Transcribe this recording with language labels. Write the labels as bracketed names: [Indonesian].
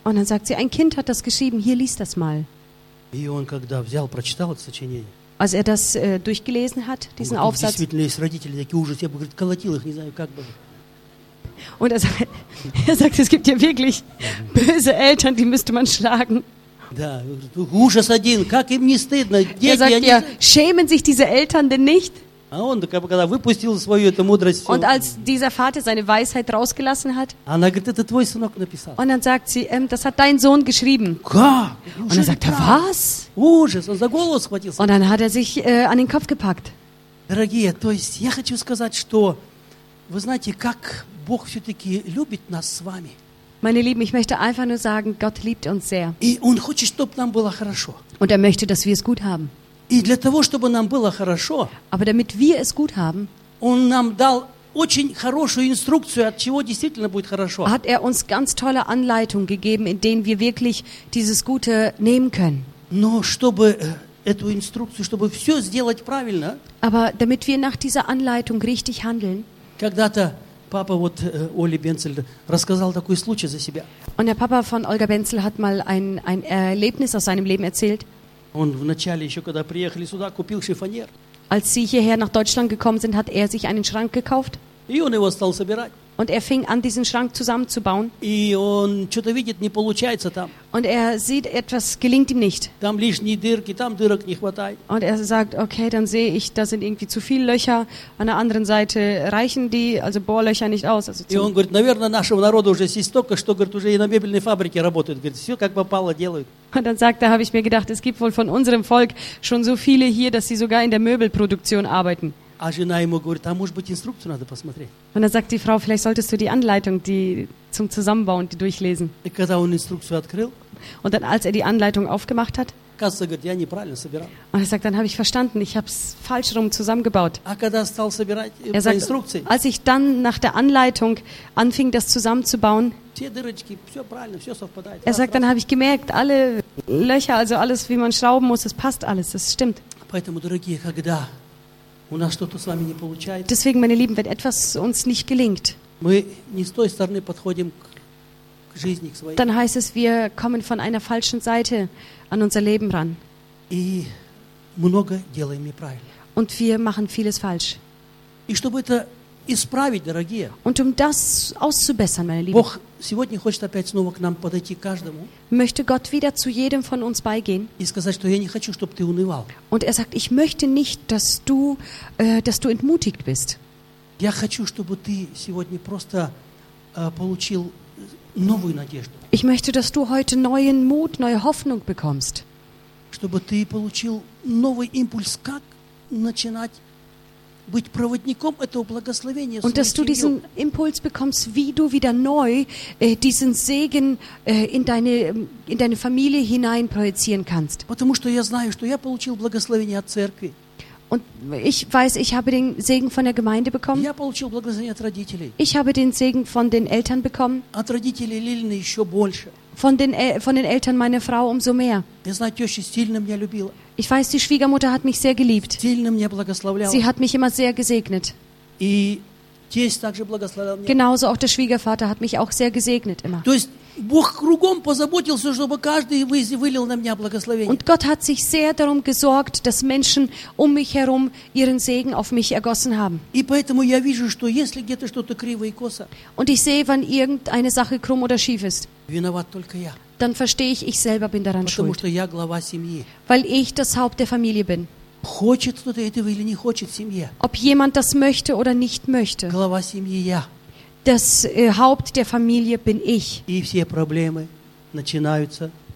[German] Und dann sagt sie: ein Kind hat das geschrieben, hier liest das mal. [Russian] И он когда взял, прочитал это сочинение. [German] Als er das durchgelesen hat, diesen Aufsatz. Und [Russian] действительно, есть родители такие ужасы, я бы, говорит, колотил их, не знаю, как бы. [German] Und er sagt, es gibt ja wirklich böse Eltern, die müsste man schlagen. [Russian] Ужас один, как им не стыдно. [German] Er sagt, ja, schämen sich diese Eltern denn nicht? [Russian] А он, когда выпустил свою эту мудрость. [German] Und als dieser Vater seine Weisheit rausgelassen hat. [Russian] Она говорит: это твой сынок написал. [German] Und dann sagt sie, das hat dein Sohn geschrieben. [Russian] Как? [German] Und er sagt, was? [Russian] Ужас, он за голову схватился. [German] Und dann hat er sich an den Kopf gepackt. [Russian] Дорогие, то есть я хочу сказать, что вы знаете, как Бог все-таки любит нас с вами. [German] Meine Lieben, ich möchte einfach nur sagen, Gott liebt uns sehr. [Russian] И он хочет, чтобы нам было хорошо. [German] Und er möchte, dass wir es gut haben. [Russian] И для того, чтобы нам было хорошо, [German] aber damit wir es gut haben, [Russian] он нам дал очень хорошую инструкцию, от чего действительно будет хорошо. [German] Hat er uns ganz tolle Anleitungen gegeben, in denen wir wirklich dieses Gute nehmen können. [Russian] Но чтобы эту инструкцию, чтобы все сделать правильно, [German] aber damit wir nach dieser Anleitung richtig handeln, [Russian] когда-то папа вот Оли Бенцель рассказал такой случай за себя. [German] Und der Papa von Olga Benzel hat mal ein Erlebnis aus seinem Leben erzählt. [Russian] Он вначале еще, когда приехали сюда, купил шифоньер. [German] Als sie hierher nach Deutschland gekommen sind, hat sich einen Schrank gekauft. [Russian] И он его стал собирать. [German] Und fing an, diesen Schrank zusammenzubauen. [Russian] И он что-то видит, не получается там. [German] Und sieht, etwas gelingt ihm nicht. [Russian] Там лишние дырки, там дырок не хватает. [German] Und sagt, okay, dann sehe ich, da sind irgendwie zu viele Löcher. An der anderen Seite reichen die, also Bohrlöcher nicht aus. Also [Russian] и он говорит: наверное, нашего народа уже есть столько, что, говорит, уже и на мебельной фабрике работают. Говорит, все как попало делают. [German] Und dann sagt, da habe ich mir gedacht, es gibt wohl von unserem Volk schon so viele hier, dass sie sogar in der Möbelproduktion arbeiten. [Russian] А жена ему говорит: а может быть, инструкцию надо посмотреть? [German] Und dann sagt die Frau, vielleicht solltest du die Anleitung, die zum Zusammenbauen, die durchlesen. [Russian] И когда он инструкцию открыл, [German] und dann, als die Anleitung aufgemacht hat, [Russian] Kasse, говорит, я неправильно собирал. [German] Und er sagt, dann habe ich verstanden, ich habe es falsch rum zusammengebaut. [Russian] А когда стал собирать по инструкции? [German] Als ich dann nach der Anleitung anfing, das zusammenzubauen. [Russian] Все дырочки, все правильно, все совпадает. [German] Er sagt, dann habe ich gemerkt, alle Löcher, also alles, wie man schrauben muss, es passt alles, es stimmt. [Russian] Поэтому, дорогие, когда у нас что-то с вами не получается. [German] Deswegen, meine Lieben, wenn etwas uns nicht gelingt. [Russian] Мы не с той стороны подходим к жизни, к своей. [German] Dann heißt es, wir kommen von einer falschen Seite an unser Leben ran. [Russian] И много делаем неправильно. [German] Und wir machen vieles falsch. [Russian] И чтобы это исправить, дорогие. [German] Und das auszubessern, meine Lieben. [Russian] Бог сегодня хочет опять снова к нам подойти каждому. [German] Möchte Gott wieder zu jedem von uns beigehen. [Russian] И сказать, что я не хочу, чтобы ты унывал. [German] Und sagt, ich möchte nicht, dass du entmutigt bist. [Russian] Я хочу, чтобы ты сегодня просто получил новую надежду. [German] Ich möchte, dass du heute neuen Mut, neue Hoffnung bekommst. [Russian] Чтобы ты получил новый импульс, как начинать быть проводником этого благословения. [German] Und dass du diesen Impuls bekommst, wie du wieder neu diesen Segen in deine Familie hinein projizieren kannst. [Russian] Потому что я знаю, что я получил благословение от церкви. [German] Und ich weiß, ich habe den Segen von der Gemeinde bekommen. [Russian] Я получил благословение от родителей. [German] Ich habe den Segen von den Eltern bekommen. [Russian] От родителей Лилины еще больше. [German] Von den Eltern meiner Frau umso mehr. [Russian] Я знаю, теща сильно меня любила. [German] Ich weiß, die Schwiegermutter hat mich sehr geliebt. [Russian] Сильно меня благословляла. [German] Sie hat mich immer sehr gesegnet. [Russian] И тесть также благословлял меня. [German] Genauso auch der Schwiegervater hat mich auch sehr gesegnet immer. [Russian] То есть Бог кругом позаботился, чтобы каждый вылил на меня благословение. [German] Und Gott hat sich sehr darum gesorgt, dass Menschen um mich herum ihren Segen auf mich ergossen haben. [Russian] И поэтому я вижу, что если где-то что-то криво и косо. [German] Und ich sehe, wenn irgendeine Sache krumm oder schief ist. [Russian] Виноват только я. [German] Dann verstehe ich selber bin daran [Russian] потому [German] schuld. [Russian] Потому что я глава семьи. [German] Weil ich das Haupt der Familie bin. [Russian] Хочет кто-то этого или не хочет в семье. [German] Ob jemand das möchte oder nicht möchte. [Russian] Глава семьи я. [German] Das Haupt der Familie bin ich. [Russian] И все проблемы начинаются.